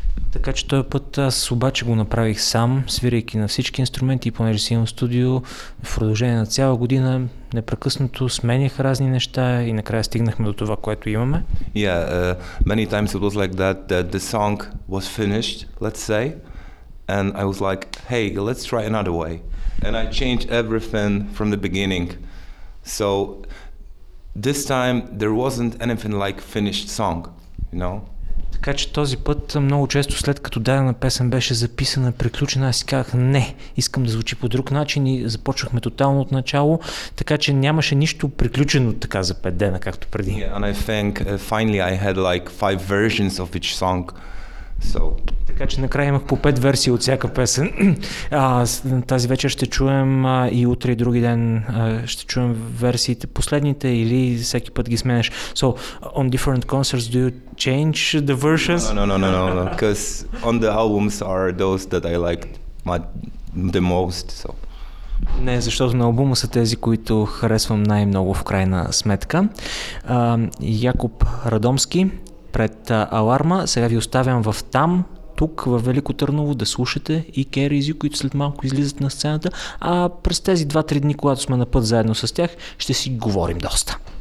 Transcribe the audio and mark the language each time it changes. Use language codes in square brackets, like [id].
[bg] Така че този път аз обаче го направих сам, свирайки на всички инструменти, понеже си имам студио, в продължение на цяла година непрекъснато сменях разни неща и накрая стигнахме до това, което имаме. [en] Yeah, many times it was like that, that the song was finished, let's say, and I was like, hey, let's try another way. And I changed everything from the beginning. So this time there wasn't anything like finished song, you know? [bg] Така че този път много често след като дадена песен беше записана, приключена, аз си казах не, искам да звучи по друг начин и започнахме тотално от начало, така че нямаше нищо приключено така за 5 дена, както преди. [en] Yeah, and I think finally I had like 5 versions of each song. So. [bg] Така че накрая имах по 5 версии от всяка песен. Тази вечер ще чуем и утре и други ден ще чуем версиите последните или всеки път ги сменяш. [en] So, on different concerts do you change the versions? No, because on the albums are those that I liked the most. So. [bg] Не, защото на албума са тези, които харесвам най-много в крайна сметка. Якоб Радомски пред Аларма. Сега ви оставям в там, тук, в Велико Търново, да слушате и Керизи, които след малко излизат на сцената, а през тези 2-3 дни, когато сме на път заедно с тях, ще си говорим доста.